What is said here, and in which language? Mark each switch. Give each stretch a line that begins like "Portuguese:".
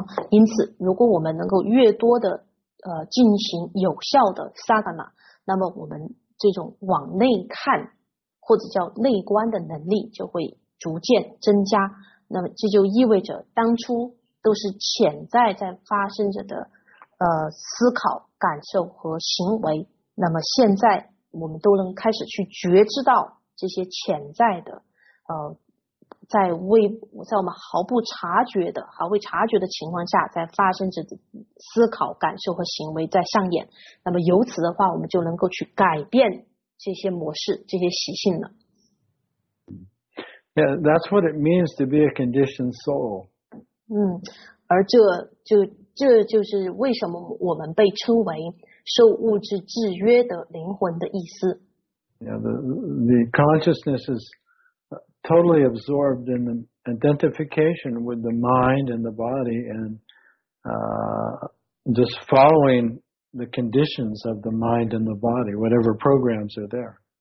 Chinese: 因此如果我们能够越多的进行有效的 sadhana, 那么我们这种往内看或者叫内观的能力就会逐渐增加，那么这就意味着当初都是潜在在发生着的思考、感受和行为，那么现在我们都能开始去觉知到这些潜在的在我们毫不察觉的、毫不察觉的情况下在发生着的思考、感受和行为在上演，那么由此的话我们就能够去改变这些模式、这些习性了。
English: Yeah, that's what it means to be a conditioned soul.
Chinese: 而这就是为什么我们被称为受物质制约的灵魂的意思。
English: Yeah, the consciousness is totally absorbed in the identification with the mind and the body and just following the conditions of the mind and the body, whatever programs are there.